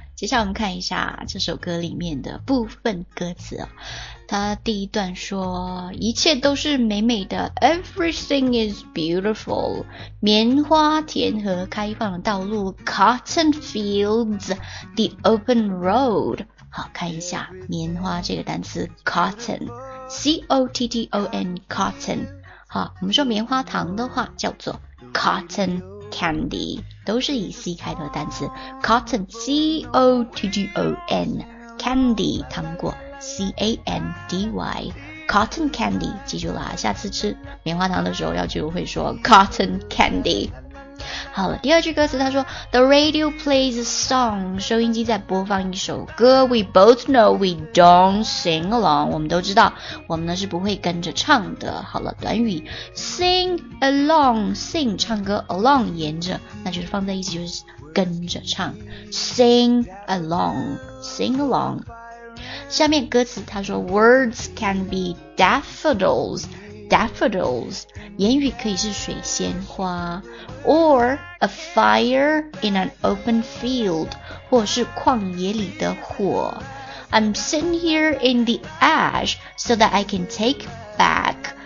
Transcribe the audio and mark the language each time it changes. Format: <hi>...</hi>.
<zh>接下来我们看一下这首歌里面的部分歌词啊。他第一段说，一切都是美美的 ，</zh> <en>Everything is beautiful，</en> <zh>棉花田和开放的道路 ，</zh> <en>Cotton fields， the open road。</en> <zh>好，看一下棉花这个单词 ，cotton， c o t t o n， cotton。好，我们说棉花糖的话叫做 cotton candy， 都是以 c 开头的单词 ，cotton， c o t t o n， candy， 糖果。 C-A-N-D-Y Cotton Candy， 记住了，下次吃棉花糖的时候要记住会说 Cotton Candy。好了，第二句歌词他说</zh> <en>The radio plays a song，</en> <zh>收音机在播放一首歌。</zh> <en>We both know we don't sing along，</en> <zh>我们都知道我们呢是不会跟着唱的。好了，短语</zh> <en>Sing along，</en> <zh>Sing 唱歌， along 沿着，那就是放在一起，就是跟着唱。 Sing along， Sing along。</zh> <en>下面歌词他说 Words can be daffodils Daffodils</en> <zh>言语可以是水仙花</zh> <en>Or a fire in an open field</en> <zh>或是旷野里的火</zh> <en>I'm sitting here in the ash So that I can take back</en>